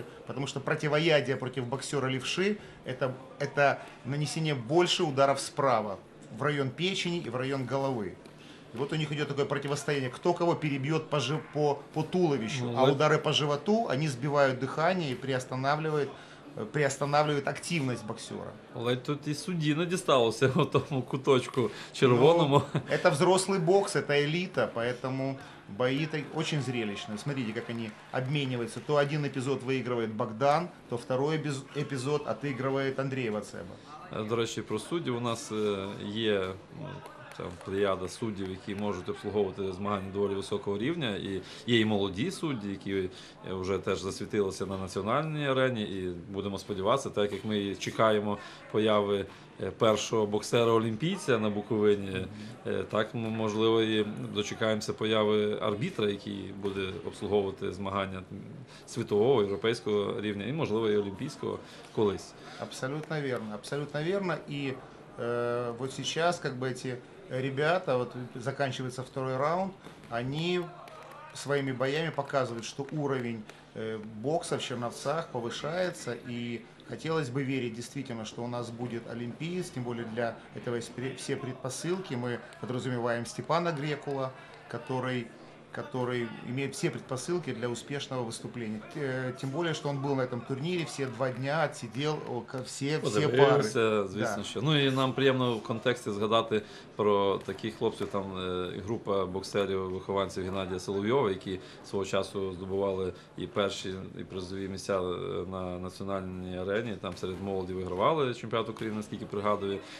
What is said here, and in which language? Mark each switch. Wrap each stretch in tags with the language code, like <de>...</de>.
<ru>Потому что противоядие против боксера левши – это нанесение больше ударов справа, в район печени и в район головы. И вот у них идет такое противостояние, кто кого перебьет по туловищу, а удары по животу, они сбивают дыхание и приостанавливают приостанавливает активность боксера.</ru> <uk>Але тут и судді не дісталося у тому куточку червоному.</uk> <ru>Ну, это взрослый бокс, это элита, поэтому бои очень зрелищные. Смотрите, как они обмениваются. То один эпизод выигрывает Богдан, то второй эпизод отыгрывает Андрей Вацеба.</ru> <uk>До речі, про суддів. У нас є там плеяда суддів, які можуть обслуговувати змагання доволі високого рівня. І є і молоді судді, які вже теж засвітилися на національній арені. І будемо сподіватися, так як ми чекаємо появи першого боксера-олімпійця на Буковині, так ми, можливо, і дочекаємося появи арбітра, який буде обслуговувати змагання світового, європейського рівня і, можливо, і олімпійського колись.</uk> <ru>Абсолютно верно, абсолютно верно.</ru> <uk>І от зараз, як би ці ребята, от закінчується другий раунд, вони своїми боями показують, що уровень бокса в Чернівцях повищається і</uk> <ru>хотелось бы верить действительно, что у нас будет Олимпия, тем более для этого есть все предпосылки. Мы подразумеваем Степана Грекула, который имеет все предпосылки для успешного выступления. Тем более, что он был на этом турнире все два дня, отсидел все пары.</ru> <uk>Звісно, да. Що. Ну и нам приємно в контексті згадати про таких хлопців, там група боксерів-вихованців Геннадія Соловйова, які свого часу здобували і перші, і призові місця на національній арені, там серед молоді вигравали чемпіонат України, наскільки пригадую.</uk>